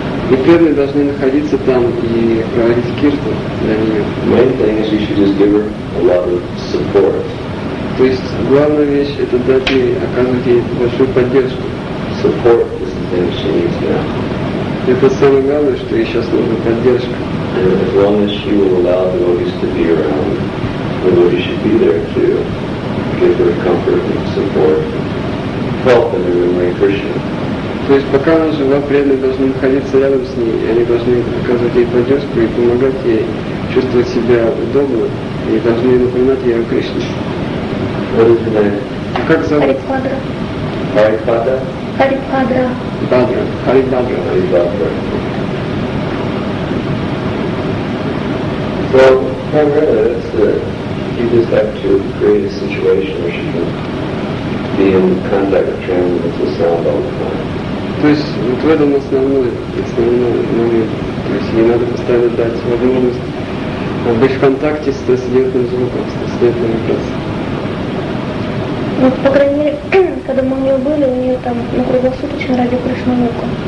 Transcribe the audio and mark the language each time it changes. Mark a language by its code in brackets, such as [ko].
[ru] И преданные должны находиться там и проводить киртан для нее. [en] Main thing is you should just give her a lot of support. [ru] То есть главная вещь — это дать ей, оказывать ей большую поддержку. [en] Support is the thing she needs now. [ru] Это самое главное, что ей сейчас нужна поддержка. [en] And as long as she will allow the devotees to be around, the devotees should be there to give her comfort and support and help in her way Krishna. [ru] То есть пока она жива, преданные должны находиться рядом с ней, и они должны оказывать ей поддержку и помогать ей чувствовать себя удобно, и должны напоминать ей о Кришне. [en] What is [ru] как зовут? Харибхадра. Харибхадра. Бхадра. Харибхадра. Харибхадра. [en] So, primarily, that's you just have to create a situation where she can be in contact with transcendental sound all the time. [ru] То есть вот в этом основной момент. То есть ей надо постоянно дать возможность быть в контакте с трансцендентным звуком, с трансцендентным образом. Вот, по крайней мере, когда мы у нее были, у нее там на круглосуточном радио Кришнамука.